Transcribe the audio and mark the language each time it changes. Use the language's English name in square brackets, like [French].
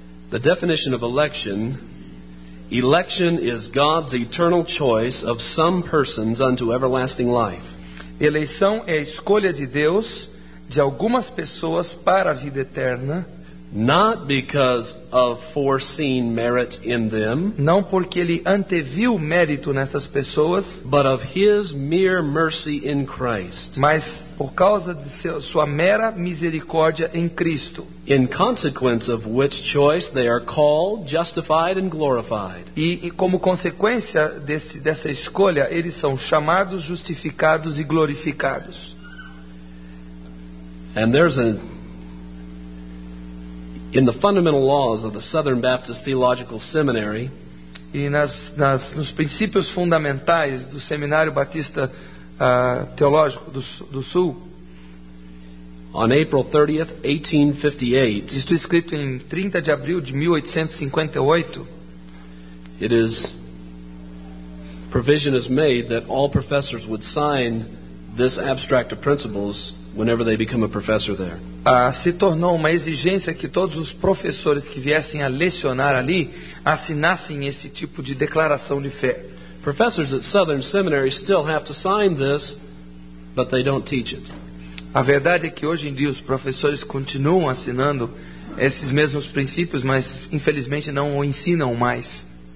[English] The definition of election. Election is God's eternal choice of some persons unto everlasting life. [Portuguese] Eleição é a escolha de Deus de algumas pessoas para a vida eterna. [English] Not because of foreseen merit in them. [Portuguese] Não porque ele anteviu mérito nessas pessoas. [English] But of his mere mercy in Christ. [Portuguese] Mas por causa de sua mera misericórdia em Cristo. [English] In consequence of which choice they are called, justified and glorified. [Portuguese] E como consequência dessa escolha, eles são chamados, justificados e glorificados. [English] And there's a in the fundamental laws of the Southern Baptist Theological Seminary. [Portuguese] E nos princípios fundamentais do Seminário Batista Teológico do Sul. [English] On April 30th, 1858. [Portuguese] Isto escrito em 30 de abril de 1858. [English] It is provision is made that all professors would sign this abstract of principles whenever they become a professor there. [Portuguese] Se tornou uma exigência que todos os professores que viessem a lecionar ali assinassem esse tipo de declaração de fé. [English] Professors at Southern Seminary still have to sign this, but they don't teach it. [Portuguese] A verdade é que hoje em dia os professores continuam assinando esses mesmos princípios, mas infelizmente não o ensinam mais.